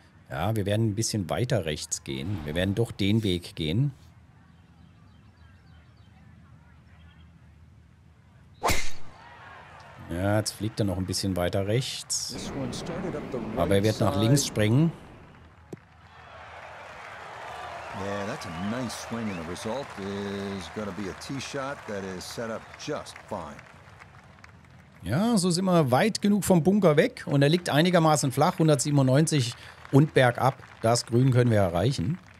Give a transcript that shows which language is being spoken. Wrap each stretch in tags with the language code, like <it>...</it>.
<de>Ja, wir werden ein bisschen weiter rechts gehen. Wir werden doch den Weg gehen. Ja, jetzt fliegt er noch ein bisschen weiter rechts. Aber er wird nach links springen.</de> <en>Yeah, that's a nice swing and the result is gonna be a tee shot that is set up just fine.</en> <de>Ja, so sind wir weit genug vom Bunker weg und er liegt einigermaßen flach, 197 und bergab. Das Grün können wir erreichen.</de>